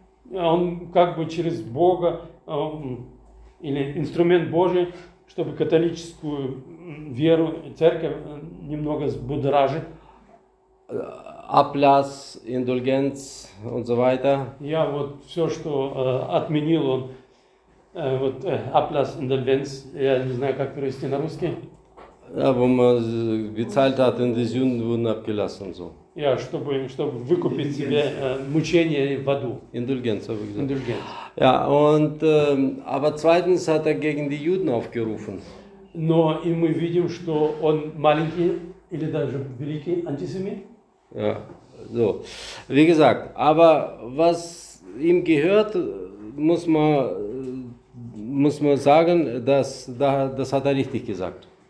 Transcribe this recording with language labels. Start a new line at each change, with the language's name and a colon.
Russian: Он как бы через Бога или инструмент Божий, чтобы католическую веру и церковь немного взбудоражить.
German: Ablass, Indulgenz und so weiter.
Russian: Ja, вот все, что отменил он, вот Ablass, Indulgenz, я не знаю, как перевести на русский.
German: Ja, wo man bezahlt hat und die Sünden wurden abgelassen und so.
Russian: Ja, чтобы выкупить себе мучение в аду.
German: Indulgenz, habe ich gesagt. Indulgenz. Ja, und aber zweitens hat gegen die Juden aufgerufen.
Russian: Но и мы видим, что он маленький или даже великий антисемит.
German: Ja, so. Wie gesagt, aber was ihm gehört, muss man sagen, dass das hat er richtig gesagt.